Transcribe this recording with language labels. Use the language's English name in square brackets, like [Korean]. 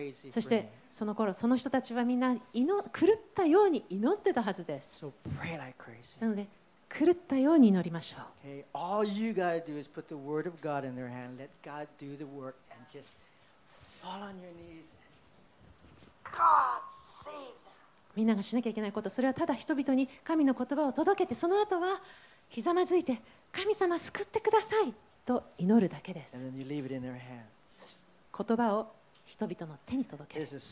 [Japanese] そしてその頃その人たちはみんな狂ったように祈ってたはずです、 [English] so pray like、crazy. [Japanese] なので狂ったように祈りましょう、 [English] okay. All you gotta do is put the word of God in their hand. Let God do the work and just fall on your knees and God save them. [Japanese] みんながしなきゃいけないことそれはただ人々に神の言葉を届けてその後はひざまずいて神様救ってくださいと祈るだけです。言葉を人々の手に届ける。